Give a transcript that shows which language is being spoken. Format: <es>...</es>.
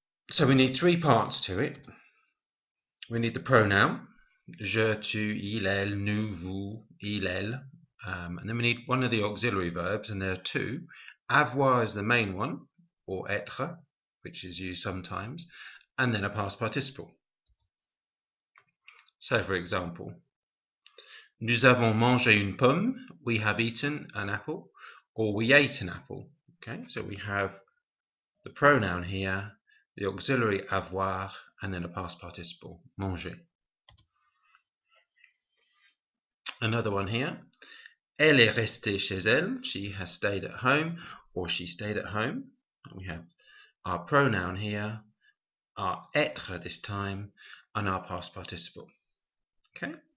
<en>So we need three parts to it. We need the pronoun.</en> <fr>Je, tu, il, elle, nous, vous, il, elle.</fr> <en>And then we need one of the auxiliary verbs, and there are two. Avoir is the main one, or être, which is used sometimes, and then a past participle. So, for example,</en> <fr>nous avons mangé une pomme.</fr> <en>We have eaten an apple, or we ate an apple. Okay, so we have the pronoun here, the auxiliary avoir, and then a past participle, manger. Another one here.</en> <fr>Elle est restée chez elle.</fr> <en>She has stayed at home, or she stayed at home. We have our pronoun here, our être this time, and our past participle. Okay.</en>